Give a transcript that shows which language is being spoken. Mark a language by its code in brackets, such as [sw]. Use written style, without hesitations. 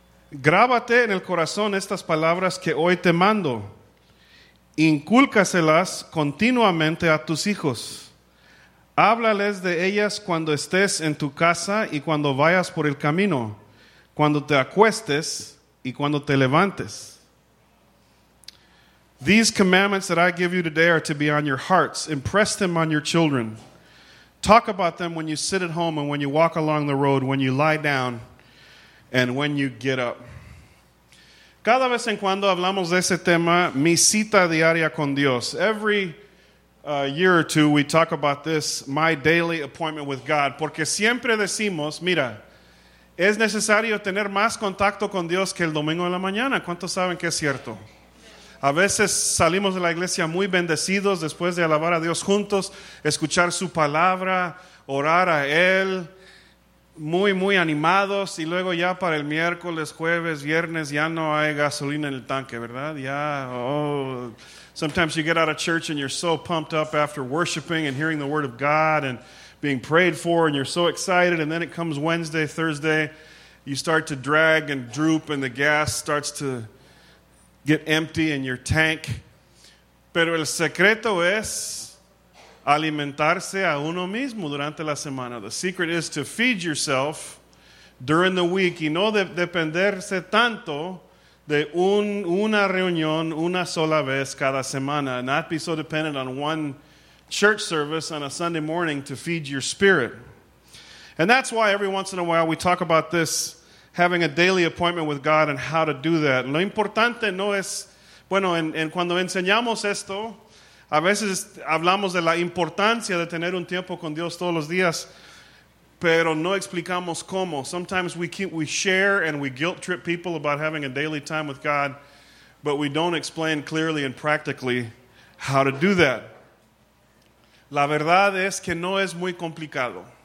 [es] Grábate en el corazón estas palabras que hoy te mando. Incúlcaselas continuamente a tus hijos. Háblales de ellas cuando estés en tu casa y cuando vayas por el camino, cuando te acuestes y cuando te levantes. [en] These commandments that I give you today are to be on your hearts. Impress them on your children. Talk about them when you sit at home and when you walk along the road, when you lie down and when you get up. [es] Cada vez en cuando hablamos de ese tema, mi cita diaria con Dios. [en] Every year or two, we talk about this, my daily appointment with God. [es] Porque siempre decimos, mira, es necesario tener más contacto con Dios que el domingo de la mañana. ¿Cuántos saben que es cierto? A veces salimos de la iglesia muy bendecidos después de alabar a Dios juntos, escuchar su palabra, orar a Él, muy, muy animados, y luego ya para el miércoles, jueves, viernes, ya no hay gasolina en el tanque, ¿verdad? [en] Ya, sometimes you get out of church and you're so pumped up after worshiping and hearing the word of God and being prayed for and you're so excited, and then it comes Wednesday, Thursday, you start to drag and droop and the gas starts to get empty in your tank. [es] Pero el secreto es alimentarse a uno mismo durante la semana. [en] The secret is to feed yourself during the week [es] y no dependerse tanto de una reunión una sola vez cada semana. [en] Not be so dependent on one church service on a Sunday morning to feed your spirit. And that's why every once in a while we talk about this, having a daily appointment with God and how to do that. [es] Lo importante no es, bueno, en cuando enseñamos esto, a veces hablamos de la importancia de tener un tiempo con Dios todos los días, pero no explicamos cómo. [en] Sometimes we share and we guilt trip people about having a daily time with God, but we don't explain clearly and practically how to do that. [es] La verdad es que no es muy complicado.